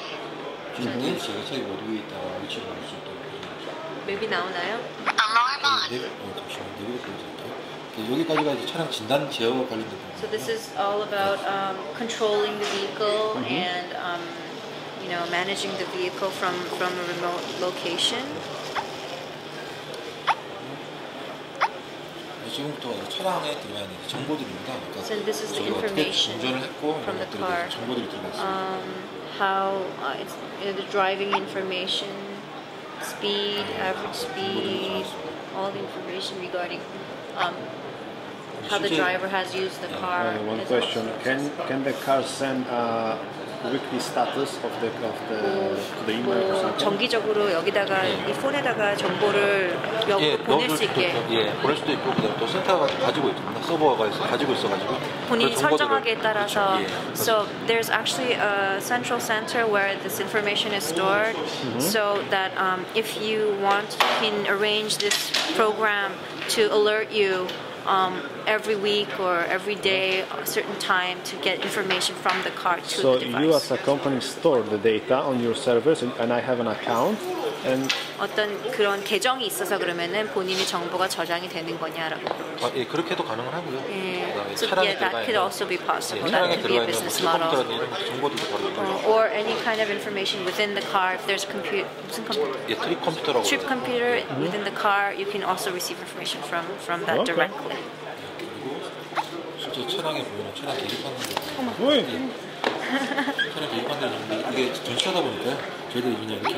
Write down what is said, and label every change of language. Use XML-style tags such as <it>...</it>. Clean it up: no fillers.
<en>Do you need to say what we are reaching out to? Maybe now, Naya? Alarm on.</en> <ko>여기까지가 이제 차량 진단 제어와 관련된 겁니다.</ko> <en>So this is all about controlling the vehicle mm-hmm. and you know managing the vehicle from a remote location.</en> <ko>지금부터 차량에 들어가는 정보들입니다. 그러니까</ko> <en>so this is the information</en> <ko>운전을 했고</ko> <en>from the car.</en> <ko>정보들이 들어갔어요.</ko> <en>How it's you know, the driving information, speed, average speed, all the information regarding. How the driver has used the car. One question: Can the car send a weekly status of the the email?</en> <ko>정기적으로 여기다가 이 폰에다가 정보를 보낼 수 있게. 예, 보낼 수도 있고 그다음 또 센터가 가지고 있습니다. 서버가 가지고 있어가지고. 본인이 설정하기에 따라서.</ko> <en>So there's actually a central center where this information is stored, so that if you want, you can arrange this program to alert you. Every week or every day, a certain time to get information from the car to the device. So you as a company store the data on your servers, and I have an account. And</en> <ko>어떤 그런 계정이 있어서 그러면은 본인의 정보가 저장이 되는 거냐라고. 아, 예, 그렇게도 가능은 하고요.</ko> <en>예. So yeah, that could also be possible.</en> <ko>예,</ko> <en>that could be a business model. Or any kind of information within the car. If there's trip computer within the car, you can also receive information from that directly.</en> <ko>실제 차량에 보면 차량 대립하는 거 뭐해? 차량 대립하는 건데 이게 전시하다 보니까 저희들이 그냥 이렇게</ko>